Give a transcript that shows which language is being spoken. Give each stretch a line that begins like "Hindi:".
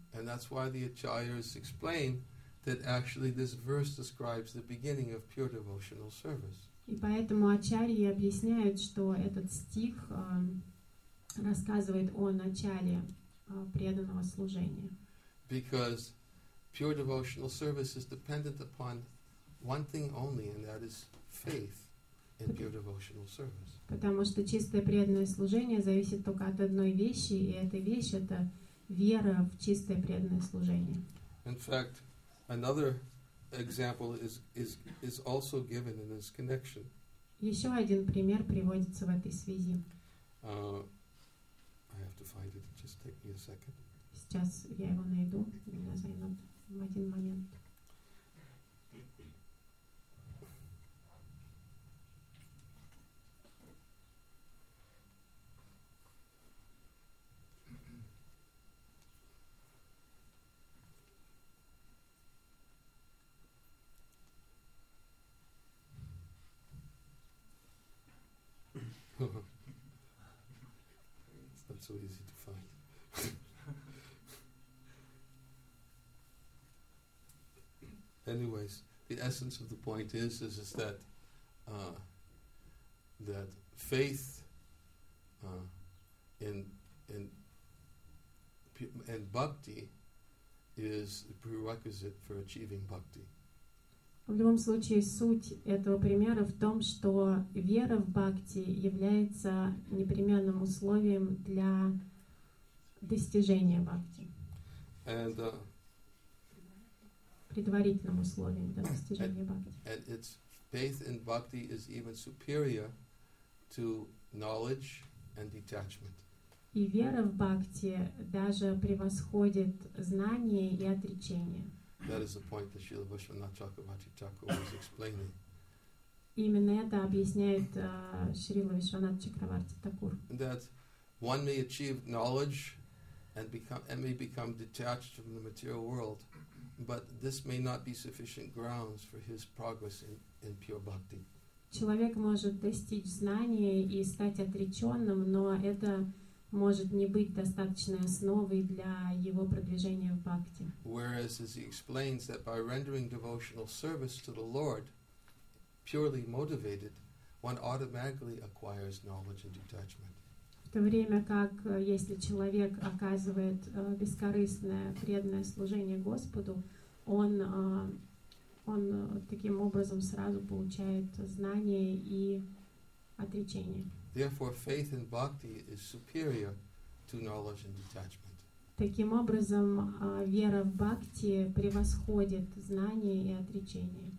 English: And that's why the Acharyas explain that actually this verse describes the beginning of pure devotional service.
Russian: И поэтому Ачарьи объясняют, что этот стих рассказывает о начале преданного служения.
English: Because pure devotional service is dependent upon one thing only, and that is faith in pure devotional service.
Russian: Потому что чистое преданное служение зависит только от одной вещи, и эта вещь — это вера в чистое преданное служение.
English: In fact, another example is also given in this connection.
Russian: Еще один пример приводится в этой связи.
English: I have to find it. Just take me a second.
Russian: Сейчас я его найду. Меня займет в один момент.
English: It's not so easy to find. Anyways, the essence of the point is that that faith in bhakti is the prerequisite for achieving bhakti.
Russian: В любом случае, суть этого примера в том, что вера в бхакти является непременным условием для достижения бхакти.
English: And,
Russian: предварительным условием для достижения бхакти.
English: And its faith in bhakti is even superior to knowledge and detachment.
Russian: И вера в бхакти даже превосходит знание и отречение.
English: That is the point that Śrīla Vaishvanātha Chakravarti Thakura was explaining.
Russian: Именно это объясняет Śrīla Vaishvanātha Chakravarti Thakura.
English: That one may achieve knowledge and may become detached from the material world, but this may not be sufficient grounds for his progress in pure bhakti.
Russian: Человек может достичь знания и стать отреченным, но это может не быть достаточной основой для его продвижения в бхакти.
English: Whereas, as he explains, that by rendering devotional service to the Lord, purely motivated, one automatically acquires knowledge and detachment.
Russian: В то время как, если человек оказывает бескорыстное преданное служение Господу, он таким образом сразу получает знание и отречение.
English: Therefore, faith in bhakti is superior to knowledge and detachment.
Russian: Таким образом, вера в бхакти превосходит знание и отречение.